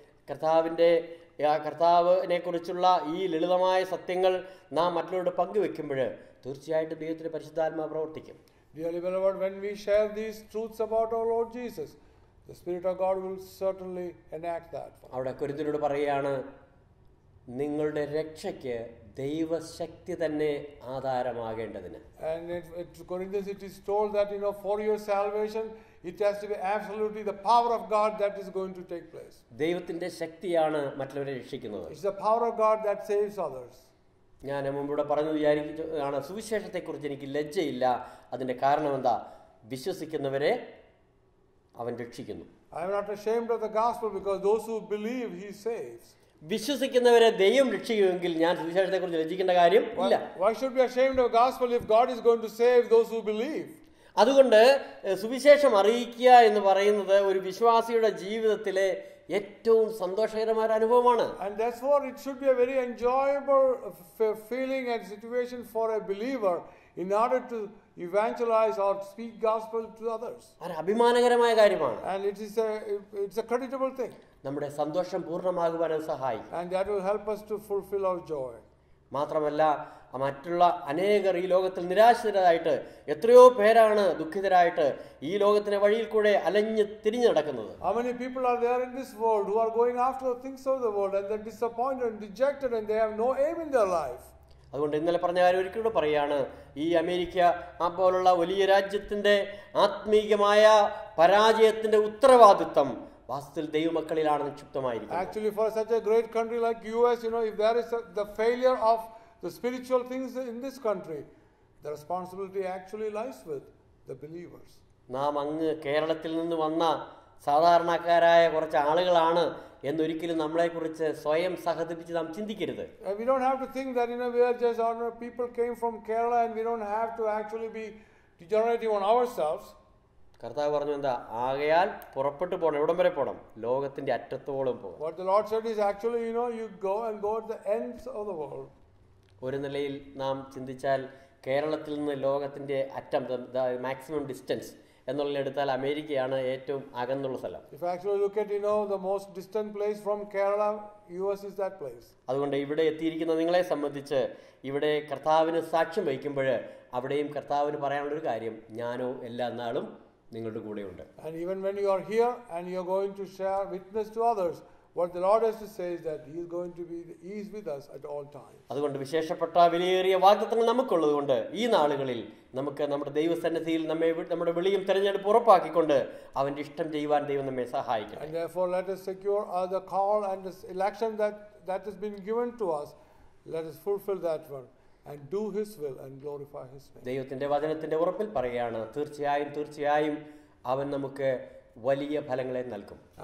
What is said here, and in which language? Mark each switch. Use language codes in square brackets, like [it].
[ml] കർത്താവിന്റെ ആ കർത്താവിനെ കുറിച്ചുള്ള ഈ ലളിതമായ സത്യങ്ങൾ നാം മറ്റുള്ളവരോട് പങ്കുവെക്കുമ്പോൾ തീർച്ചയായിട്ടും ദൈവത്തിന്റെ പരിശുദ്ധാത്മാവ് പ്രവർത്തിക്കും. [en] Dearly beloved, when we share these truths about our Lord Jesus, the Spirit of God will certainly enact that. [ml] അവിടെ കൊരിന്ത്യരോട് പറയുകയാണ്, നിങ്ങളുടെ രക്ഷയ്ക്ക് ദൈവശക്തി തന്നെ ആധാരമാകേണ്ടതിന്. [en] And in Corinthians it is told that, you know, for your salvation it has to be absolutely the power of God that is going to take place. [ml] ദൈവത്തിന്റെ ശക്തിയാണ് മറ്റുള്ളവരെ രക്ഷിക്കുന്നത്. [en] It's the power of God that saves others. [ml] ഞാൻ മുമ്പിവിടെ പറഞ്ഞു വിചാരിക്കുകയാണ്, സുവിശേഷത്തെക്കുറിച്ച് എനിക്ക് ലജ്ജയില്ല. അതിൻ്റെ കാരണം എന്താ? വിശ്വസിക്കുന്നവരെ അവൻ രക്ഷിക്കുന്നു. [en] I am not ashamed of the gospel because those who believe he saves. [ml] വിശ്വസിക്കുന്നവരെ ദൈവം രക്ഷിക്കുമെങ്കിൽ ഞാൻ സുവിശേഷത്തെക്കുറിച്ച് ലജ്ജിക്കേണ്ട കാര്യം ഇല്ല. [en] Why should be ashamed of the gospel if God is going to save those who believe? [ml] അതുകൊണ്ട് സുവിശേഷം അറിയിക്കുക എന്ന് പറയുന്നത് ഒരു വിശ്വാസിയുടെ ജീവിതത്തിലെ ഏറ്റവും സന്തോഷകരമായ ഒരു അനുഭവമാണ്. [en] And therefore it should be a very enjoyable feeling and situation for a believer in order to evangelize or speak gospel to others. [ml] ഒരു അഭിമാനകരമായ കാര്യമാണ്. [en] And it's a creditable thing. [ml] നമ്മുടെ സന്തോഷം പൂർണ്ണമാകുവാൻ സഹായിക്കും. [en] And that will help us to fulfill our joy. [ml] മാത്രമല്ല, മറ്റുള്ള അനേകർ ഈ ലോകത്തിൽ നിരാശിതരായിട്ട് എത്രയോ പേരാണ് ദുഃഖിതരായിട്ട് ഈ ലോകത്തിന് വഴിയിൽ കൂടെ അലഞ്ഞു തിരിഞ്ഞു നടക്കുന്നത്. [en] How many people are there in this world who are going after the things of the world and they're disappointed and dejected and they have no aim in their life. [ml] അതുകൊണ്ട് ഇന്നലെ പറഞ്ഞ കാര്യം ഒരിക്കലും പറയുകയാണ്, ഈ അമേരിക്ക ആ പോലുള്ള വലിയ രാജ്യത്തിന്റെ ആത്മീയമായ പരാജയത്തിന്റെ ഉത്തരവാദിത്വം വാസ്തവത്തിൽ ദൈവമക്കളിലാണ് നിക്ഷിപ്തമായിരിക്കുന്നത്. [en] Actually for such a great country like US, you know, if there is the failure of the spiritual things in this country, the responsibility actually lies with the believers. [ml] നാം അങ്ങ് കേരളത്തിൽ നിന്ന് വന്ന സാധാരണക്കാരായ കുറച്ച് ആളുകളാണ് എന്നൊരിക്കലും നമ്മളെക്കുറിച്ച് സ്വയം സഹതപിച്ച് നാം ചിന്തിക്കരുത്. [en] We don't have to think that, you know, we are just ordinary people came from Kerala and we don't have to actually be degenerating on ourselves. [ml] കർത്താവ് പറഞ്ഞു എന്താ? ആകയാൽ പുറപ്പെട്ടു പോകണം. എവിടം വരെ പോകണം? ലോകത്തിന്റെ അറ്റത്തോളം പോകണം. [en] What the Lord said is actually, you know, you go and go to the ends of the world. [ml] ഒരു നിലയിൽ നാം ചിന്തിച്ചാൽ കേരളത്തിൽ നിന്ന് ലോകത്തിന്റെ അറ്റം, മാക്സിമം ഡിസ്റ്റൻസ് എന്നുള്ള എടുത്താൽ അമേരിക്കയാണ് ഏറ്റവും അകന്നുള്ള സ്ഥലം. [en] If actually look at, you know, the most distant place from Kerala, US is that place. [ml] അതുകൊണ്ട് ഇവിടെ എത്തിയിരിക്കുന്ന നിങ്ങളെ സംബന്ധിച്ച് ഇവിടെ കർത്താവിന് സാക്ഷ്യം വഹിക്കുമ്പോൾ അവിടെയും കർത്താവിന് പറയാനുള്ളൊരു കാര്യം, ഞാനോ എല്ലാ നാളും നിങ്ങളുടെ കൂടെയുണ്ട്. [en] And even when you are here and you are going to share witness to others, what the Lord has to say is that he is with us at all times. [ml] അതുകൊണ്ട് വിശേഷപ്പെട്ട വിലയേറിയ വാഗ്ദത്തങ്ങൾ നമുക്കുള്ളതുകൊണ്ട് ഈ നാളുകളിൽ നമുക്ക് നമ്മുടെ ദൈവസന്നിധിയിൽ നമ്മെ നമ്മുടെ വിളിയും തിരഞ്ഞെടുപ്പ് ഉറപ്പാക്കിക്കൊണ്ട് അവന്റെ ഇഷ്ടം ചെയ്യുവാൻ ദൈവം നമ്മെ സഹായിക്കണം. [en] And therefore let us secure the call and the election that has been given to us. Let us fulfill that one and do his will and glorify his name. [ml] ദൈവത്തിന്റെ വചനത്തിന്റെ ഉറപ്പിൽ പറയുകയാണ്, തീർച്ചയായും തീർച്ചയായും അവൻ നമുക്ക് വലിയ ഫലങ്ങളെ നൽകും.